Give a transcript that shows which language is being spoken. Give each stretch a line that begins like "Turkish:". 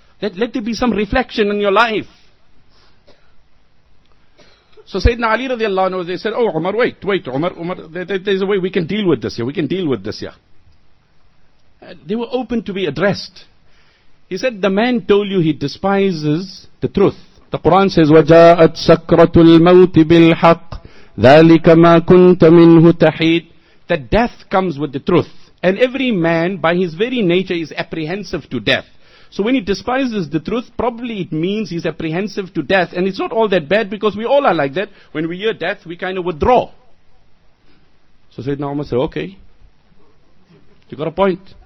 English: Let there be some reflection in your life. So Sayyidina Ali radiallahu anhu, they said, oh Umar, wait Umar, there's a way we can deal with this here. They were open to be addressed. He said, the man told you he despises the truth. The Quran says,
Arabic: وَجَاءَتْ سَكْرَةُ الْمَوْتِ بِالْحَقِّ ذَلِكَ مَا كُنْتَ مِنْهُ تَحِيدُ.
English: That death comes with the truth. And every man, by his very nature, is apprehensive to death. So when he despises the truth, probably it means he's apprehensive to death. And it's not all that bad, because we all are like that. When we hear death, we kind of withdraw. So Sayyidina Umar said, okay, you got a point.